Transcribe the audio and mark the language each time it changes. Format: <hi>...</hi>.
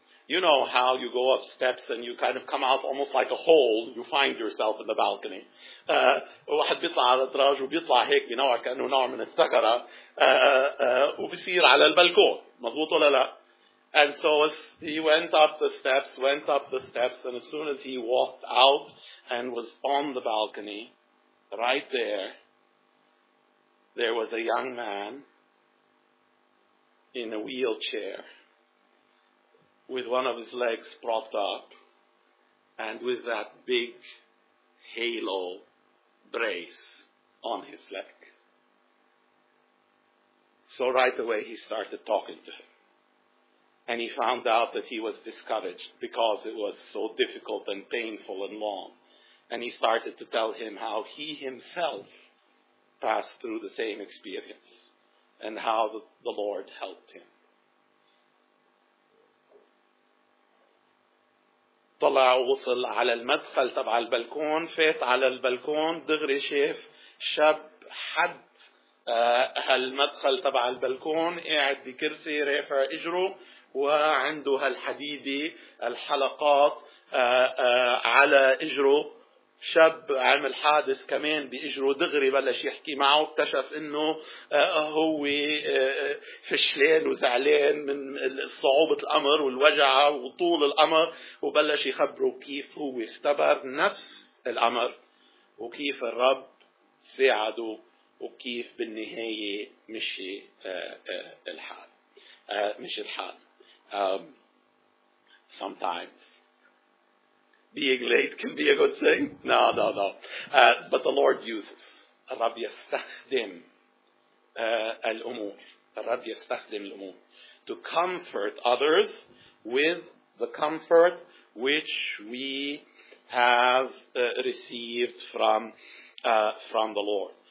<en>You know how you go up steps and you kind of come out almost like a hole. You find yourself in the balcony.</en> <ar>واحد بيطلع على الدراج وبيطلع هيك بنوع كأنه نوع من الثغرة وبيصير على البلكون. مظبوط ولا لا؟</ar> <en>And so he went up the steps, and as soon as he walked out and was on the balcony, right there, there was a young man in a wheelchair with one of his legs propped up and with that big halo brace on his leg. So right away he started talking to him. And he found out that he was discouraged because it was so difficult and painful and long. And he started to tell him how he himself passed through the same experience and how the Lord helped him.</en> <ar>طلع وصل على المدخل تبع البلكون, فات على البلكون, دغري شاف شاب حد هالمدخل تبع البلكون قاعد بكرسي رافع اجره وعنده هالحديدة الحلقات على إجره. شاب عمل حادث كمان بإجره, دغري بلش يحكي معه, اكتشف إنه هو فشلان وزعلان من صعوبة الأمر والوجع وطول الأمر, وبلش يخبره كيف هو اختبر نفس الأمر وكيف الرب ساعده وكيف بالنهاية مشي الحال.</ar> <en>Sometimes being late can be a good thing. No. But the Lord uses.</en> <ar>الرب يستخدم الأمور. الرب يستخدم الأمور</ar> <en>to comfort others with the comfort which we have received from the Lord.</en>